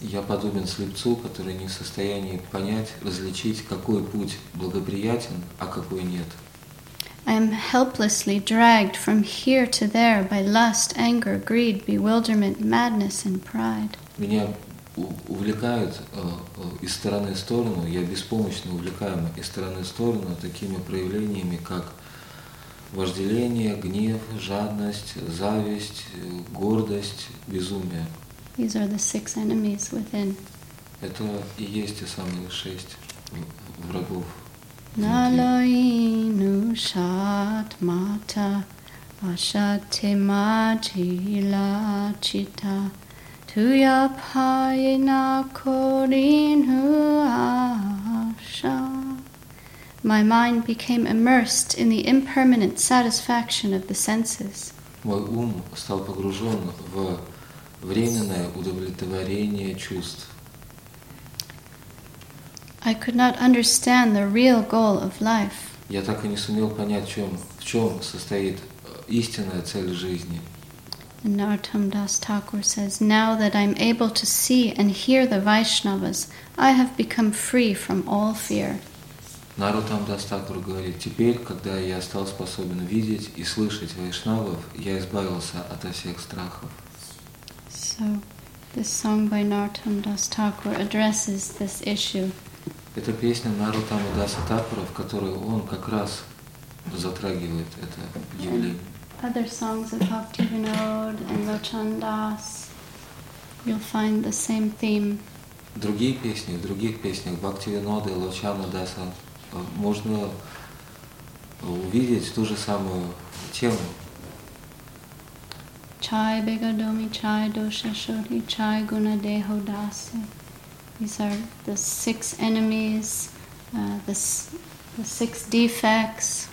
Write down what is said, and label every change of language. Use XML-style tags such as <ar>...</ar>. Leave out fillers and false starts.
<ru>Я подобен слепцу, который не в состоянии понять, различить, какой путь благоприятен, а какой нет.</ru> <en>I am helplessly dragged from here to there by lust, anger, greed, bewilderment, madness, and pride.</en> <ru>Меня увлекают из стороны в сторону, я беспомощно увлекаем из стороны в сторону такими проявлениями, как вожделение, гнев, жадность, зависть, гордость, безумие.</ru> <en>These are the six enemies within.</en> <ru>Это и есть те самые шесть врагов.</ru> <bn>Налоину шатмата ашате маджила чита туя пайна корину аша.</bn> <en>My mind became immersed in the impermanent satisfaction of the senses.</en> <ru>Мой ум стал погружен в временное удовлетворение чувств.</ru> <en>I could not understand the real goal of life.</en> <ru>Я так и не сумел понять, в чем состоит истинная цель жизни.</ru> <en>And Narottam Das Thakur says, now that I'm able to see and hear the Vaishnavas, I have become free from all fear.</en> <ru>Narottam Das Thakur говорит, теперь, когда я стал способен видеть и слышать вайшнавов, я избавился от всех страхов.</ru> <en>So, this song by Narottam Das Thakur addresses this issue.</en> <ru>Это песня Нарутама Даса Тапура, в которой он как раз затрагивает это явление.</ru> <en>Other songs of Bhakti Vinod and Lochan Das, you'll find the same theme.</en> <ru>В других песнях Бхакти Винода и Лочана Даса можно увидеть ту же самую тему.</ru> <bn>Чай бегадоми, чай доша шори, чай гуна дехо даси.</bn> <en>These are the six enemies, the six defects.</en>